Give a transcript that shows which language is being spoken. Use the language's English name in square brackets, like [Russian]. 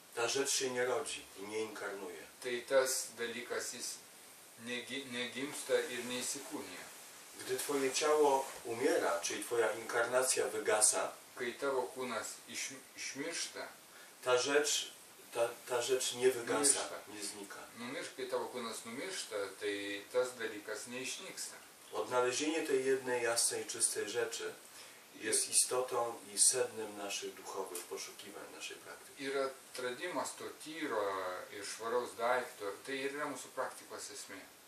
[Polish] ta rzecz się nie rodzi i nie inkarnuje. [Lithuanian] Tai tas dalykas jis nie gimsta ir neįsikūnija. [Polish] Gdy twoje ciało umiera, czyli twoja inkarnacja wygasa, [Lithuanian] kai tavo kūnas išmiršta, [Polish] ta rzecz nie wygasa, nie znika. [Lithuanian] Numiršta, kai tavo kūnas numiršta, tai tas dalykas neišnyksta. [Polish] Odnalezienie tej jednej jasnej, czystej rzeczy jest istotą i sednem naszych duchowych poszukiwań, naszej praktyki. [Lithuanian] Ir atradimas to tyro ir švaraus daikto, tai yra mūsų praktikos esmė.